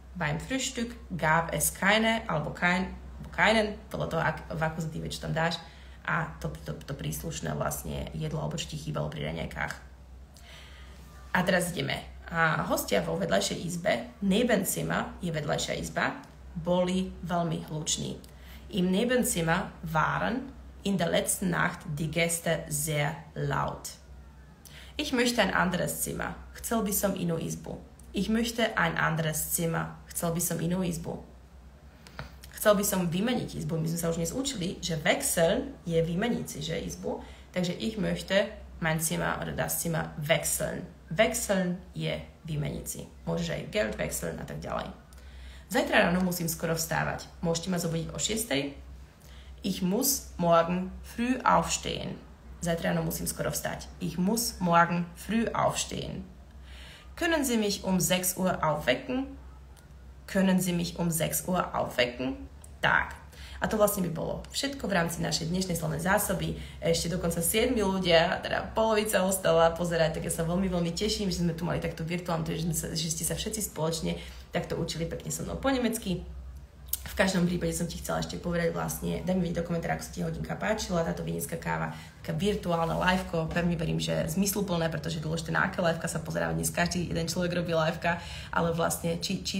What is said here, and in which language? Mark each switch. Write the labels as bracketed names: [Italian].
[German] Beim Frühstück gab es keine, [Slovak] alebo keinen, podľa toho, v akú zatýve, čo tam dáš, a to príslušné vlastne jedlo, alebo čo ti chýbalo pri raňajkách. A teraz ideme. A hostia vo vedľajšej izbe, Nebenzimmer je vedľajšia izba, boli veľmi hluční. [German] Im Nebenzimmer waren in der letzten Nacht die Gäste sehr laut. Ich möchte ein anderes Zimmer. [Slovak] Chcel by som inú izbu. [German] Ich möchte ein anderes Zimmer. [Slovak] Chcel by som inú izbu. Chcel by som vymeniť izbu. My sme sa už dnes učili, že wechseln je vymeniť si, že izbu. [German] Takže ich möchte mein Zimmer oder das Zimmer wechseln. [Slovak] Wechseln je vymeniť si. Môžeš aj [German] Geld wechseln [Slovak] a tak ďalej. Zajtra ráno musím skoro vstávať. Môžete ma zobudiť o 6. [German] Ich muss morgen früh aufstehen. [Slovak] Zajtra ráno musím skoro vstať. [German] Ich muss morgen früh aufstehen. Können Sie mich um 6 Uhr aufwecken? Können Sie mich um 6 Uhr aufwecken? [Slovak] Tak. A to vlastne by bolo všetko v rámci našej dnešnej slovnej zásoby. Ešte dokonca 7 ľudia, teda polovica ostala pozerať, tak ja sa veľmi, veľmi teším, že sme tu mali takto virtuálne, že ste sa všetci spoločne takto učili pekne so mnou po nemecky. V každom prípade som ti chcela ešte povedať vlastne, daj mi vedieť do komentára, ako sa ti hodinka páčila, táto vinická káva, taká virtuálna liveko, pevne verím, že zmysluplné, pretože je dôležité, na aké liveka sa pozerá, dnes každý jeden človek robí liveka, ale vlastne, či